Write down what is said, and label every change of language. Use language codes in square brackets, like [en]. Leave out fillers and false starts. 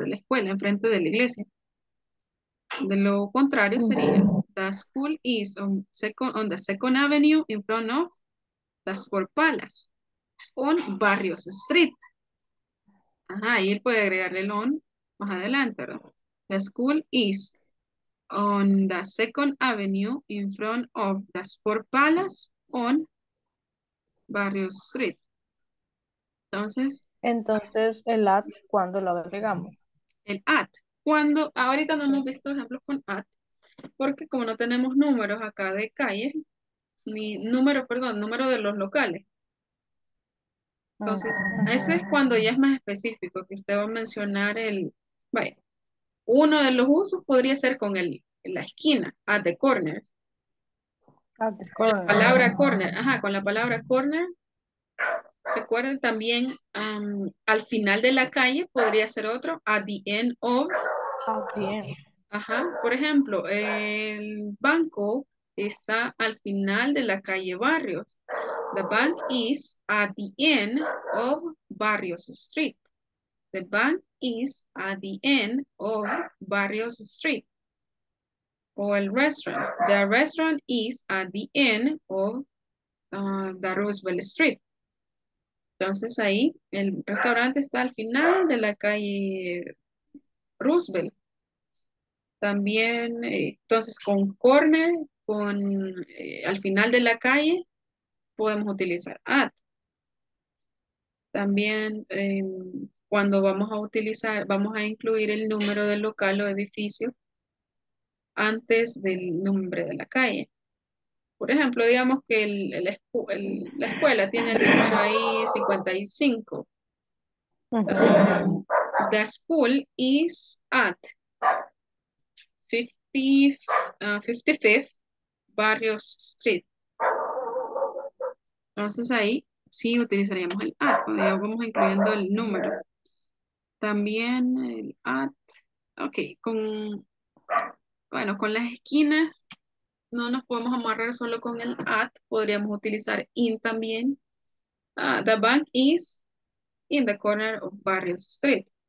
[es] De la escuela, enfrente de la iglesia. De lo contrario sería, [en] the school is on the second avenue in front of the Sport Palace, on Barrios Street. [es] Ajá, ahí él puede agregarle el on más adelante, ¿verdad? [en] The school is on the second avenue in front of the Sport Palace, on Barrios Street. [es] Entonces, el at, ¿cuándo lo agregamos? El at. Cuando, ahorita no hemos visto ejemplos con at, porque como no tenemos números acá de calle, ni número, perdón, número de los locales. Entonces, ese es cuando ya es más específico, que usted va a mencionar el, vaya, uno de los usos podría ser con el, la esquina, [en] at the corner. At the corner. Con [es] la palabra corner, ajá, con la palabra corner. Recuerden también, al final de la calle podría ser otro, [en] at the end of. [es] Ajá, por ejemplo, el banco está al final de la calle Barrios. [en] The bank is at the end of Barrios Street. The bank is at the end of Barrios Street. [es] O el restaurant. [en] The restaurant is at the end of the Roosevelt Street. [es] Entonces ahí el restaurante está al final de la calle Roosevelt. También, entonces con corner, con al final de la calle, podemos utilizar at. También cuando vamos a utilizar, vamos a incluir el número del local o edificio antes del nombre de la calle. Por ejemplo, digamos que la escuela tiene el número ahí 55. [en] The school is at 55th Barrios Street. [es] Entonces ahí sí utilizaríamos el at, cuando ya vamos incluyendo el número. También el at, ok, con, bueno, con las esquinas no nos podemos amarrar solo con el at, podríamos utilizar in también. [en] The bank is in the corner of Barrios Street.